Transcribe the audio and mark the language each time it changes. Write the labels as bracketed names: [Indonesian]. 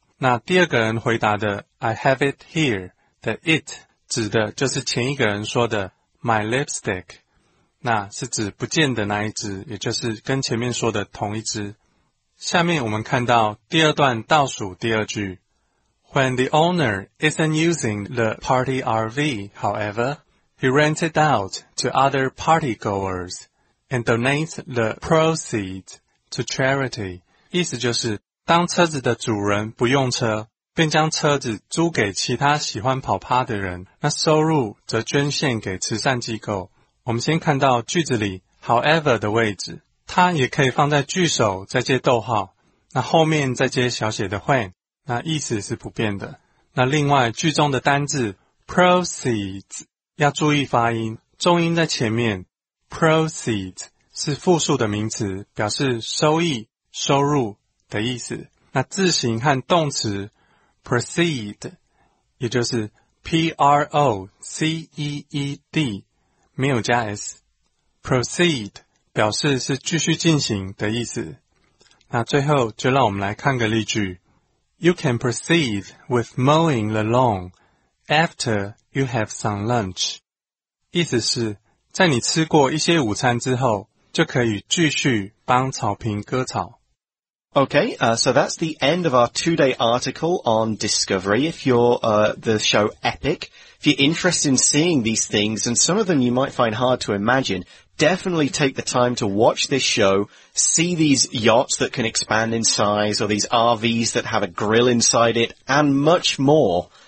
[Chinese] 那第二个人回答的 [English] I have it here [Chinese] 的 it 指的就是前一个人说的 [English] my lipstick。 [Chinese] 那是指不见的那一只，也就是跟前面说的同一只。下面我们看到第二段倒数第二句。 [English] When the owner isn't using the party RV, however, he rents it out to other partygoers and donates the proceeds to charity. [Chinese] 意思就是当车子的主人不用车，便将车子租给其他喜欢跑趴的人，那收入则捐献给慈善机构。我们先看到句子里 however 的位置，它也可以放在句首再接逗号，那后面再接小写的 when， 那意思是不变的。那另外句中的单字 proceeds 要注意发音，重音在前面， proceeds 是复数的名词，表示收益收入的意思。那字形和动词 proceed 也就是 proceed，没有加 s， proceed 表示是继续进行的意思。那最后就让我们来看个例句。 [English] You can proceed with mowing the lawn after you have some lunch. [Chinese] 意思是在你吃过一些午餐之后，就可以继续帮草坪割草。 [English] Okay, so that's the end of our two-day article on Discovery. If you're, the show Epic, if you're interested in seeing these things, and some of them you might find hard to imagine, definitely take the time to watch this show, see these yachts that can expand in size, or these RVs that have a grill inside it, and much more.